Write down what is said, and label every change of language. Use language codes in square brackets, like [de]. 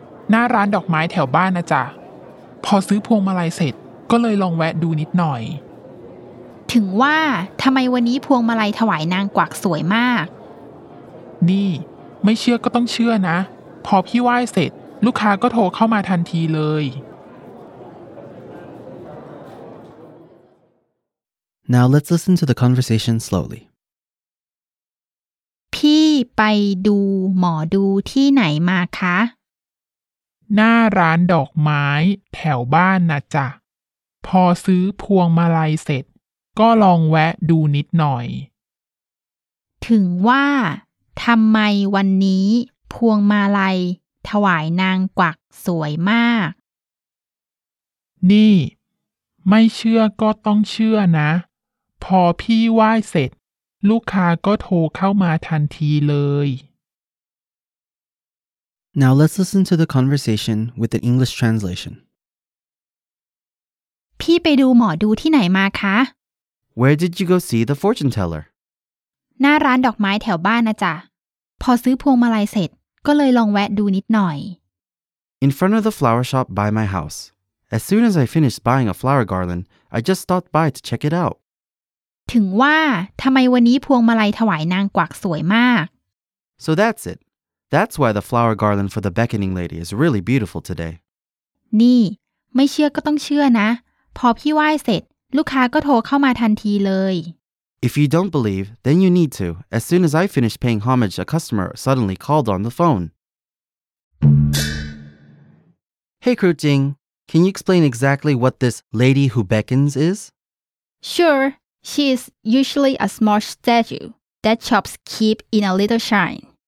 [th] หน้าร้านดอกไม้แถวบ้านนะจ๊ะ พอซื้อพวงมาลัยเสร็จก็เลยลองแวะดูนิดหน่อย ถึงว่าทำไมวันนี้พวงมาลัยถวายนางกวักสวยมาก นี่ไม่เชื่อก็ต้องเชื่อนะพอพี่ไหว้เสร็จลูกค้าก็โทรเข้ามาทันทีเลย [en] Now let's listen to the conversation slowly. [th] พี่ไปดูหมอดูที่ไหนมาคะ หน้าร้านดอกไม้แถวบ้านนะจ๊ะพอซื้อพวงมาลัยเสร็จก็ลองแวะดูนิดหน่อย ถึงว่าทำไมวันนี้พวงมาลัยถวายนางกวักสวยมาก นี่ไม่เชื่อก็ต้องเชื่อนะพอพี่ไหว้เสร็จลูกค้าก็โทรเข้ามาทันทีเลย [en] Now let's listen to the conversation with an English translation. [th] พี่ไปดูหมอดูที่ไหนมาคะ [en] Where did you go see the fortune teller? [th] หน้าร้านดอกไม้แถวบ้านนะจ๊ะพอซื้อพวงมาลัยเสร็จก็เลยลองแวะดูนิดหน่อย [en] In front of the flower shop by my house. As soon as I finished buying a flower garland, I just stopped by to check it out. [th] ถึงว่าทำไมวันนี้พวงมาลัยถวายนางกวักสวยมาก [en] So that's it. That's why the flower garland for the beckoning lady is really beautiful today. [th] นี่ไม่เชื่อก็ต้องเชื่อนะพอพี่ไหว้เสร็จลูกค้าก็โทรเข้ามาทันทีเลย [en] If you don't believe, then you need to. As soon as I finished paying homage, a customer suddenly called on the phone. Hey, Kru Jing, can you explain exactly what this lady who beckons is? Sure, she is usually a small statue that shops keep in a little shrine.